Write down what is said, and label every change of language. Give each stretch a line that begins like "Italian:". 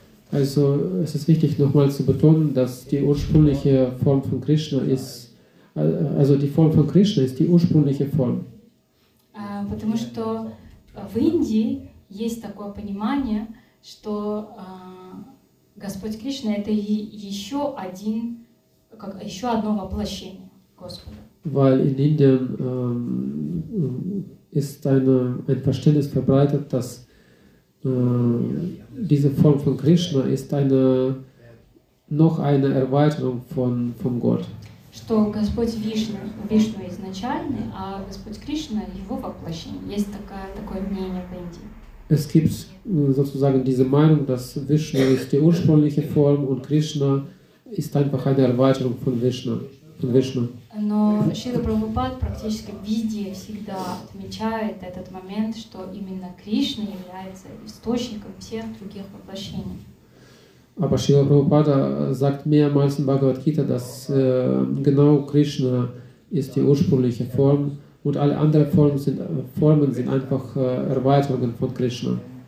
German: Also, es ist wichtig, nochmal zu betonen, dass die ursprüngliche Form von Krishna ist, also die Form von Krishna ist die ursprüngliche Form.
Russian: Потому что в Индии есть такое понимание, что Господь Кришна это еще один, как еще одно воплощение Господа.
German: Weil in Indien ist ein Verständnis verbreitet, dass diese Form von Krishna ist eine noch eine Erweiterung von Gott.
Russian: Что Господь Вишну изначальный, а Господь Кришна его воплощение. Есть такое мнение в Индии.
German: Es gibt sozusagen diese Meinung, dass Vishnu ist die ursprüngliche Form und Krishna ist einfach eine Erweiterung von Vishnu.
Russian: Но Шрила Прабхупада практически везде всегда отмечает этот момент, что именно Кришна является источником всех других воплощений.
German: Aber Srila Prabhupada sagt mehrmals in Bhagavad Gita, dass genau Krishna ist die ursprüngliche Form und alle anderen Formen sind einfach Erweiterungen von Krishna.